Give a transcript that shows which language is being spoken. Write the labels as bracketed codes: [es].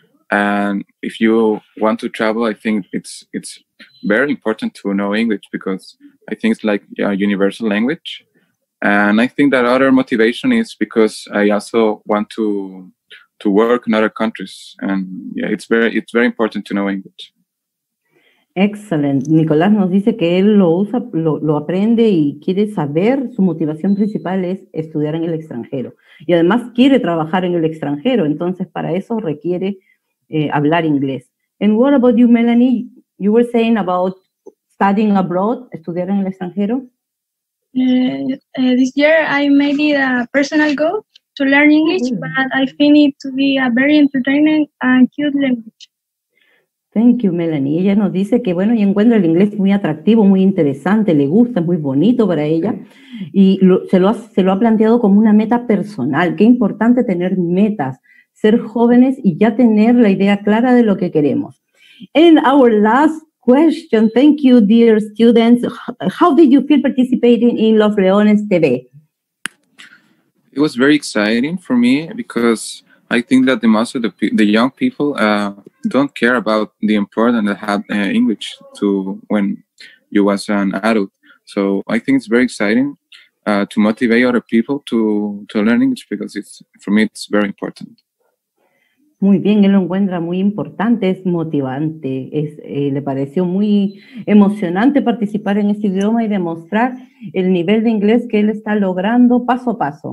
[en] And if you want to travel, I think it's very important to know English because I think it's like a universal language. And I think that other motivation is because I also want to work in other countries. And yeah, it's very important to know English. Excellent. [es] Nicolás nos dice que él lo usa, lo aprende y quiere saber, su motivación principal es estudiar en el extranjero. Y además quiere trabajar en el extranjero, entonces para eso requiere hablar inglés. [en] And what about you, Melanie? You were saying about studying abroad, [es] estudiar en el extranjero. [en] This year I made it a personal goal to learn English, but I find it to be a very entertaining and cute language. Thank you, Melanie. [es] Ella nos dice que, bueno, ella encuentra el inglés muy atractivo, muy interesante, le gusta, es muy bonito para ella. Y se lo ha planteado como una meta personal. Qué importante tener metas, ser jóvenes y ya tener la idea clara de lo que queremos. [en] And our last question, thank you, dear students. How did you feel participating in Los Leones TV? It was very exciting for me because I think that the most of the young people don't care about the importance of English to when you was an adult. So I think it's very exciting to motivate other people to learn English because it's, for me, it's very important. [es] Muy bien, él lo encuentra muy importante, es motivante, le pareció muy emocionante participar en este idioma y demostrar el nivel de inglés que él está logrando paso a paso.